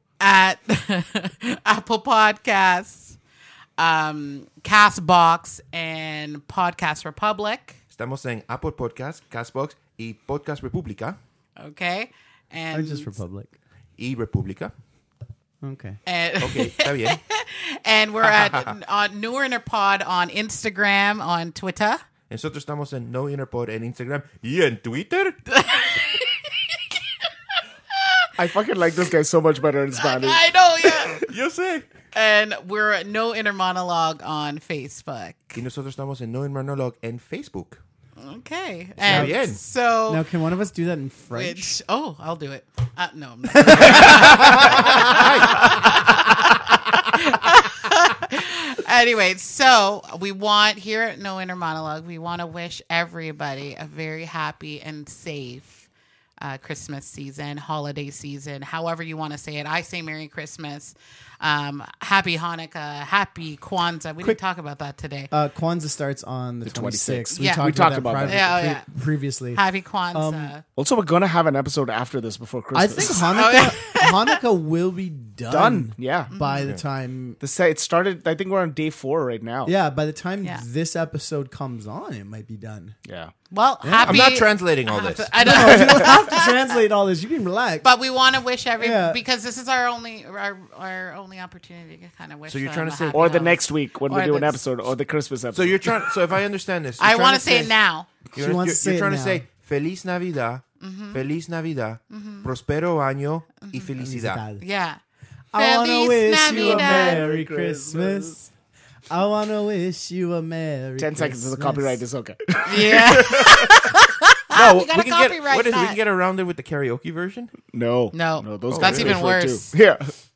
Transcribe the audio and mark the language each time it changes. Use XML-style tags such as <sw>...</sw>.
<en>At Apple Podcasts, Castbox, and Podcast Republic.</en> <es>Estamos en Apple Podcasts, Castbox y Podcast Republica.</es> <en>Okay. And just Republic.</en> <es>E Republica.</es> <en>Okay. Okay. And we're at No Inner Pod on Instagram, on Twitter.</en> <es>Nosotros estamos en No Inner Pod en Instagram y en Twitter.</es> <en>I fucking like this guy so much better in Spanish. I know, yeah. You say. And we're at No Inner Monologue on Facebook.</en> <es>Y nosotros estamos en No Inner Monologue en Facebook.</es> <en>Okay. And so now, can one of us do that in French? I'll do it. No, I'm not. Anyway, so we want here at No Inner Monologue, we want to wish everybody a very happy and safe Christmas season, holiday season, however you want to say it. I say Merry Christmas, Happy Hanukkah, Happy Kwanzaa. Didn't talk about that today. Kwanzaa starts on the 26th. We talked about that previously. Happy Kwanzaa. Also, we're going to have an episode after this before Christmas. I think Hanukkah will be done. Yeah. By the time. It started, I think we're on day 4 right now. Yeah, by the time this episode comes on, it might be done. Yeah. Well, I'm not translating all this. You don't have to translate all this. You can relax. But we want to wish because this is our only opportunity to kind of wish. So you're trying to say, the next week when we do an episode or the Christmas episode. So you're trying. So if I understand this, I want to say it now. You're trying to say</en> <es>Feliz Navidad, Feliz Navidad, Prospero Año y Felicidad.</es> <en>Yeah. I want to wish you a Merry Christmas. I want to wish you a Merry Christmas. 10 seconds is a copyright. It's okay. Yeah. No, we can get around it with the karaoke version? No. That's even worse. Too. Yeah.</en>